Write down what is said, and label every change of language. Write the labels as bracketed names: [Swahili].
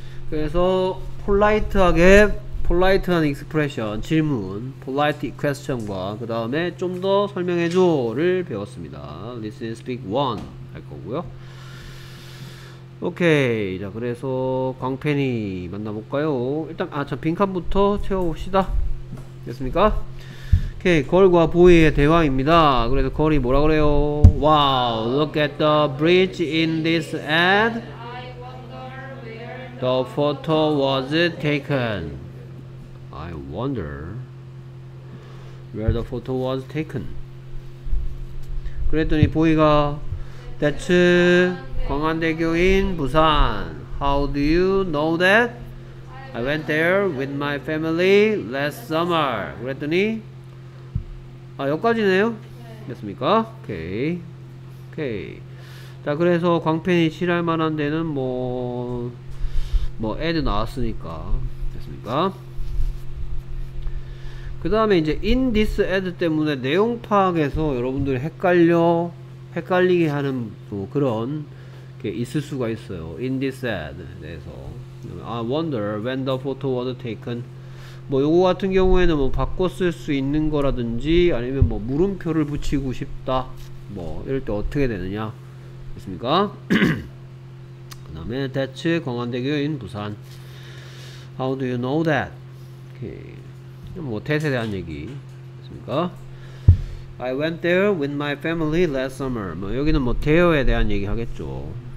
[Korean] 그래서 폴라이트하게 폴라이트한 익스프레션 질문 폴라이트 퀘스천과 그 다음에 좀 더 설명해줘를 배웠습니다. [English] Listen speak 1 [Korean] 할 거고요. 오케이. 자, 그래서 광팬이 만나볼까요? 일단 아, 저 빈칸부터 채워봅시다. 됐습니까? 오케이. 걸과 보이의 대화입니다. 그래서 걸이 뭐라 그래요? [English] Wow, look at the bridge in this ad. The photo was taken. I wonder where the photo was taken. [Korean] 그랬더니 보이가 That's 광안대교인 부산. [English] How do you know that? I went there with my family last summer. [Korean] 그랬더니 아 여기까지네요. 됐습니까? 오케이. 오케이. 자, 그래서 광팬이 칠할 만한 데는 뭐 애드 나왔으니까. 됐습니까? 그 다음에 이제 [English] in this ad [Korean] 때문에 내용 파악에서 여러분들이 헷갈리게 하는 뭐 그런 게 있을 수가 있어요. [English] In this ad 내에서 I wonder when the photo was taken. [Korean] 뭐 요거 같은 경우에는 뭐 바꿔 쓸 수 있는 거라든지 아니면 뭐 물음표를 붙이고 싶다 뭐 이럴 때 어떻게 되느냐. 됐습니까? 그 다음에 that's 광안대교인 부산. [English] How do you know that? [Korean] 오케이. 뭐 that에 대한 얘기. 됐습니까? [English] I went there with my family last summer. [Korean] 뭐 여기는 뭐 대여에 대한 얘기 하겠죠.